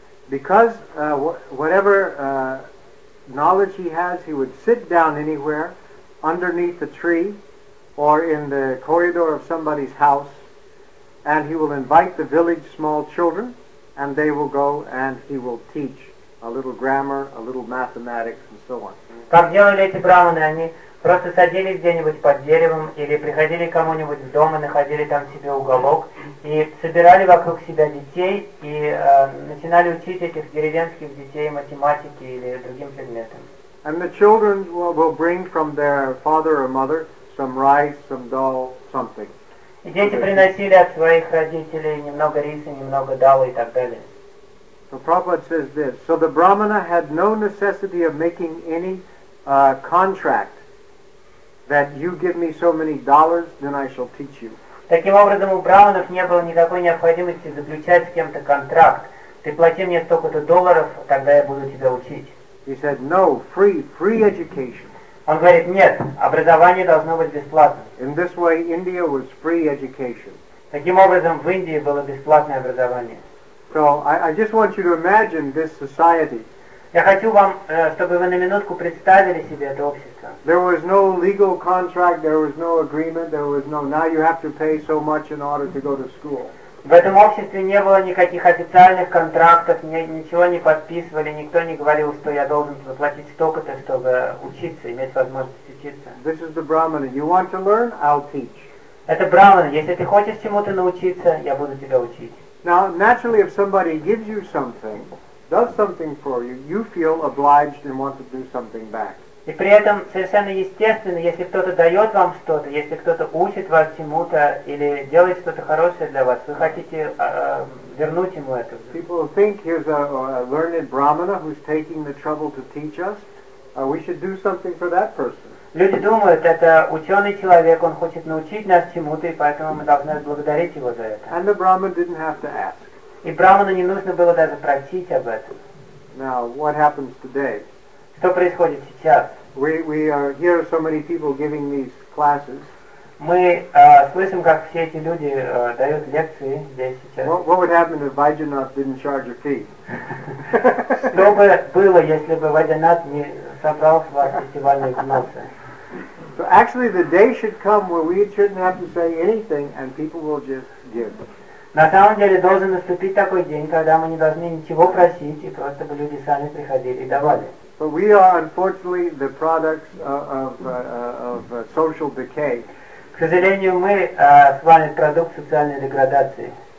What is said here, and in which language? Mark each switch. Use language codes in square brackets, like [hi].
[en] Because whatever knowledge he has, he would sit down anywhere, underneath a tree, or in the corridor of somebody's house, and he will invite the village small children, and they will go, and he will teach a little grammar, a little mathematics, and so on. [ru] Как делали эти браманы, они просто садились где-нибудь под деревом или приходили к кому-нибудь в дом и находили там себе уголок и собирали вокруг себя детей и начинали учить этих деревенских детей математике или другим предметам. [en] And the children will bring from their father or mother some rice, some dal, something. [ru] И дети приносили от своих родителей немного риса, немного дала и так далее. [en] So Prabhupada says this. So the brahmana had no necessity of making any contract. That you give me so many dollars, then I shall teach you. [ru] Таким образом, у браманов не было никакой необходимости заключать с кем-то контракт. Ты плати мне столько-то долларов, тогда я буду тебя учить. [en] He said, no, free education. [ru] Он говорит, нет, образование должно быть бесплатным. [en] In this way, India was free education. [ru] Таким образом, в Индии было бесплатное образование. [en] So, I just want you to imagine this society. [ru] Я хочу вам, чтобы вы на минутку представили себе это общество. [en] There was no legal contract, there was no agreement, there was no, now you have to pay so much in order to go to school. [ru] В этом обществе не было никаких официальных контрактов, ничего не подписывали, никто не говорил, что я должен заплатить столько-то, чтобы учиться, иметь возможность учиться. [en] This is the brahmana. You want to learn? I'll teach. [ru] Это брахмана. Если ты хочешь чему-то научиться, я буду тебя учить. [en] Now, naturally, if somebody gives you something, does something for you, you feel obliged and want to do something back. [ru] И при этом совершенно естественно, если кто-то дает вам что-то, если кто-то учит вас чему-то или делает что-то хорошее для вас, вы хотите вернуть ему это. [en] People think here's a learned brahmana who's taking the trouble to teach us. We should do something for that person. [ru] Люди думают, это ученый человек, он хочет научить нас чему-то, и поэтому мы должны благодарить его за это. [en] And the brahmana didn't have to ask. [ru] И брахману не нужно было даже просить об этом. [en] Now, what happens today? [ru] Что происходит сейчас? [en] We are here so many people giving these classes. [ru] Мы слышим, как все эти люди дают лекции здесь сейчас. [en] What would happen if Vaidyanath didn't charge a fee? [ru] Что бы было, если бы Вайдянатх не собрал с вас фестивальные взносы? [en] So actually, the day should come where we shouldn't have to say anything, and people will just give. [ru] На самом деле должен наступить такой день, когда мы не должны ничего просить, и просто бы люди сами приходили и давали. [en] But we are unfortunately the products of social decay. [ru] К сожалению, мы с вами продукт социальной деградации.